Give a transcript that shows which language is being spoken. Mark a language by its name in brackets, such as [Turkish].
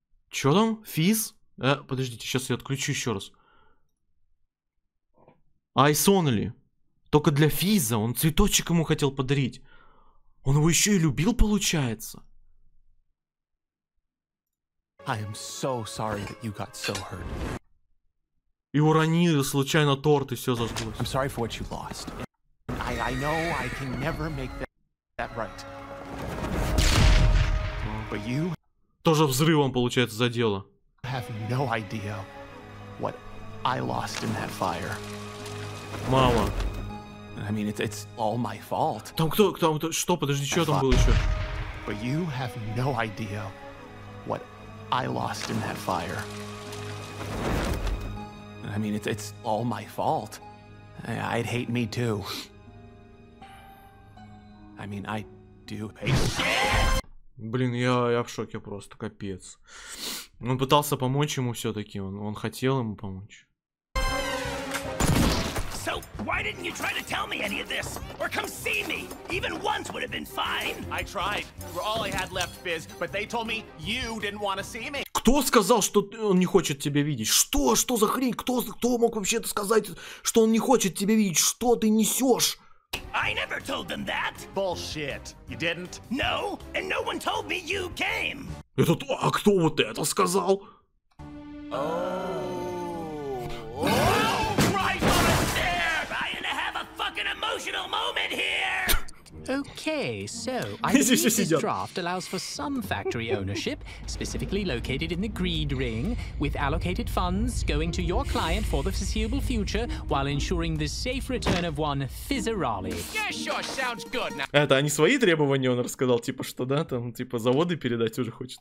[Russian] Чё там? Fizz? Подождите, сейчас я отключу ещё раз. [English] Ice only. [Russian] Только для Физза. Он цветочек ему хотел подарить. Он его ещё и любил, получается. [English] I am so sorry that you got so hurt. [Russian] И уронили случайно торт, и все заслужилось. [English] I'm sorry for what you lost. I know I can never make that right. But you... [Russian] Тоже взрывом, получается, задело. [English] I have no idea what I lost in that fire. [Russian] Мало. [English] I mean, it's all my fault. [Russian] Там кто? Там, что? Подожди, что там было еще? [English] But you have no idea what... I lost in that fire. I mean, it's all my fault. I'd hate me too. I mean, I do hate. [Russian] Блин, я в шоке просто, капец. Он пытался помочь ему все-таки, он хотел ему помочь. [English] So why didn't you try to tell me any of this? Or come see me? Even once would have been fine. I tried. You were all I had left, Fizz, but they told me you didn't want to see me. [Russian] Кто сказал, что он не хочет тебя видеть? Что? Что за хрень? Кто мог вообще это сказать, что он не хочет тебя видеть? Что ты несешь? [English] I never told them that. Bullshit. You didn't? No, and no one told me you came. [Russian] Этот, а кто вот это сказал? [English] Oh. Right on the stair. I had to have a fucking emotional moment here. Okay, so I think this draft allows for some factory ownership, specifically located in the greed ring, with allocated funds going to your client for the foreseeable future, while ensuring the safe return of one Физзаролли. Yeah, sure, sounds good. Now... [Russian] Это они свои требования, он рассказал, типа что да, там типа заводы передать уже хочет.